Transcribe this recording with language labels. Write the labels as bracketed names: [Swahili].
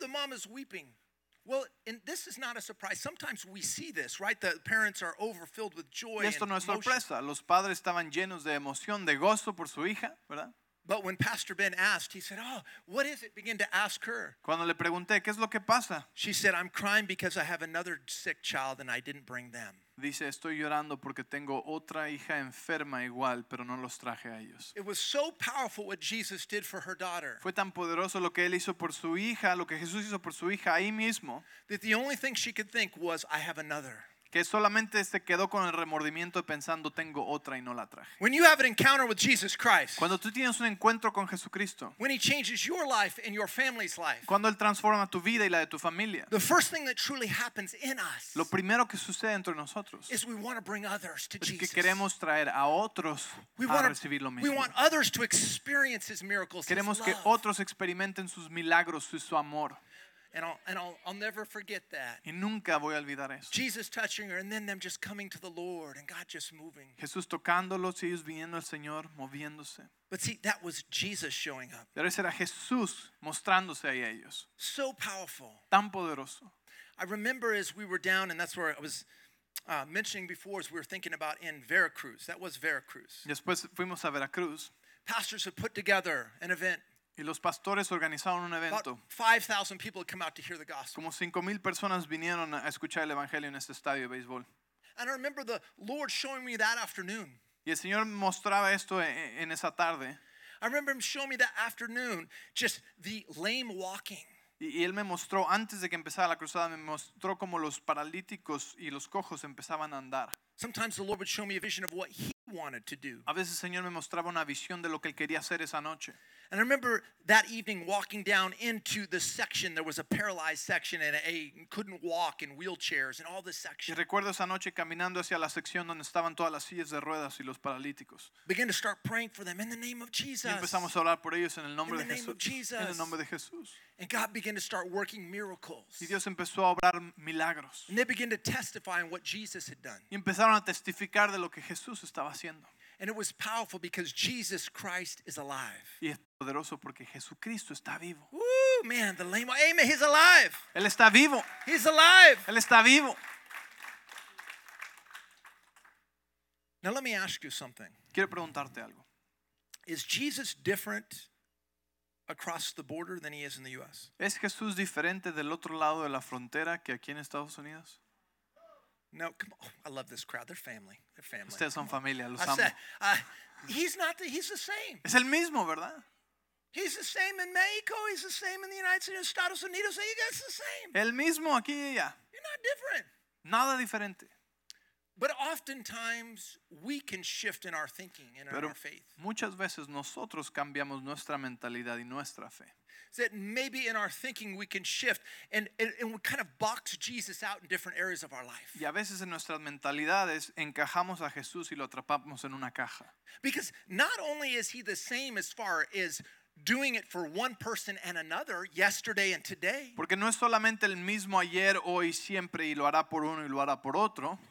[English] The mom is weeping. Well, and this is not a surprise. Sometimes we see this, right? The parents are overfilled with joy. [Spanish] Y esto no es sorpresa. Los padres estaban llenos de emoción, de gozo por su hija, ¿verdad? [English] But when Pastor Ben asked, he said, "Oh, what is it?" Begin to ask her. [Spanish] Cuando le pregunté, ¿qué es lo que pasa? [English] She said, "I'm crying because I have another sick child and I didn't bring them." [Spanish] Dice, estoy llorando porque tengo otra hija enferma igual, pero no los traje a ellos. [English] It was so powerful what Jesus did for her daughter. [Spanish] Fue tan poderoso lo que él hizo por su hija, lo que Jesús hizo por su hija ahí mismo. [English] That the only thing she could think was, "I have another." [Spanish] Que solamente se quedó con el remordimiento de pensando tengo otra y no la traje. [English] When you have an encounter with Jesus Christ, [Spanish] cuando tú tienes un encuentro con Jesucristo, [English] when He changes your life and your family's life, [Spanish] cuando Él transforma tu vida y la de tu familia, [English] the first thing that truly happens in us, [Spanish] lo primero que sucede entre nosotros [English] is we want to bring others to Jesus. [Spanish] Es que queremos traer a otros a recibir lo mismo. [English] We want others to experience His miracles, [Spanish] queremos [English] His [Spanish] que [English] love. [Spanish] Otros experimenten sus milagros y su amor. [English] And I'll never forget that. [Spanish] Y nunca voy a olvidar eso. [English] Jesus touching her, and then them just coming to the Lord, and God just moving. [Spanish] Jesús tocándolos y ellos viniendo al Señor, moviéndose. [English] But see, that was Jesus showing up. [Spanish] Pero ese era Jesús mostrándose a ellos. [English] So powerful. [Spanish] Tan poderoso. [English] I remember as we were down, and that's where I was mentioning before, as we were thinking about in Veracruz. That was Veracruz. [Spanish] Después fuimos a Veracruz. [English] Pastors had put together an event. [Spanish] Y los pastores organizaron un evento. [English] 5,000 people had come out to hear the gospel. [Spanish] Como 5,000 personas vinieron a escuchar el evangelio en este estadio de béisbol. [English] And I remember the Lord showing me that afternoon. [Spanish] Y el Señor mostraba esto en esa tarde. [English] I remember Him showing me that afternoon, just the lame walking. [Spanish] Y Él me mostró, antes de que empezara la cruzada, me mostró como los paralíticos y los cojos empezaban a andar. [English] Sometimes the Lord would show me a vision of what He wanted to do. [Spanish] A veces el Señor me mostraba una visión de lo que Él quería hacer esa noche. [English] And I remember that evening walking down into the section. There was a paralyzed section and a couldn't walk in wheelchairs and all this section. [Spanish] Y recuerdo esa noche caminando hacia la sección donde estaban todas las sillas de ruedas y los paralíticos. [English] Begin to start praying for them in the name of Jesus. [Spanish] Y empezamos a orar por ellos en el nombre de Jesús. [English] In the name of Jesus. [Spanish] En el nombre de Jesús. [English] And God began to start working miracles. [Spanish] Y Dios empezó a obrar milagros. [English] And they began to testify on what Jesus had done. [Spanish] Y empezaron a testificar de lo que Jesús estaba haciendo. [English] And it was powerful because Jesus Christ is alive. [Spanish] Y es poderoso porque Jesucristo está vivo. [English] Woo, man, the lame. Amen. and he's alive. [Spanish] Él está vivo. [English] He's alive. [Spanish] Él está vivo. [English] Now let me ask you something. [Spanish] Quiero preguntarte algo. [English] Is Jesus different across the border than he is in the U.S.? [Spanish] ¿Es Jesús diferente del otro lado de la frontera que aquí en Estados Unidos? [English] No, come on. I love this crowd. They're family. They're family. [Spanish] Ustedes [English] come [Spanish] son [English] on. [Spanish] Familia. Los amo. [English] He's the same. [Spanish] Es el mismo, ¿verdad? [English] He's the same in Mexico. He's the same in the United States, Estados Unidos. You guys the same. [Spanish] El mismo aquí y allá. [English] You're not different. [Spanish] Nada diferente. [English] But oftentimes we can shift in our thinking and [Spanish] pero [English] in our faith. [Spanish] Muchas veces nosotros cambiamos nuestra mentalidad y nuestra fe. [English] That maybe in our thinking we can shift and we kind of box Jesus out in different areas of our life. [Spanish] Y a veces en nuestras mentalidades encajamos a Jesús y lo atrapamos en una caja. [English] Because not only is he the same as far as doing it for one person and another yesterday and today. [Spanish] Porque no es solamente el mismo ayer, hoy, siempre y lo hará por uno y lo hará por otro.